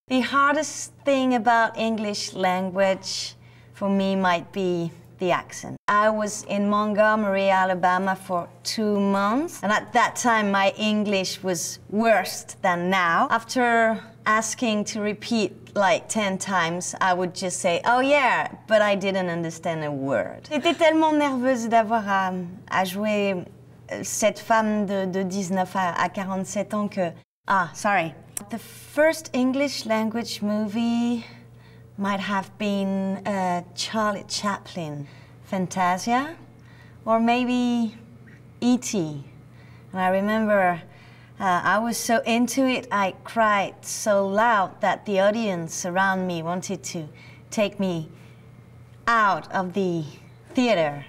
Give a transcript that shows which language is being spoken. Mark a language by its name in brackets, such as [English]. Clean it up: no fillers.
[English] The hardest thing about English language for me might be the accent. I was in Montgomery, Alabama for 2 months, and at that time my English was worse than now. After asking to repeat like 10 times, I would just say, oh yeah, but I didn't understand a word. [French] J'étais tellement nerveuse d'avoir à jouer cette femme de 19 à 47 ans que... [English] Ah, sorry. The first English language movie might have been Charlie Chaplin, Fantasia, or maybe E.T. And I remember I was so into it, I cried so loud that the audience around me wanted to take me out of the theater.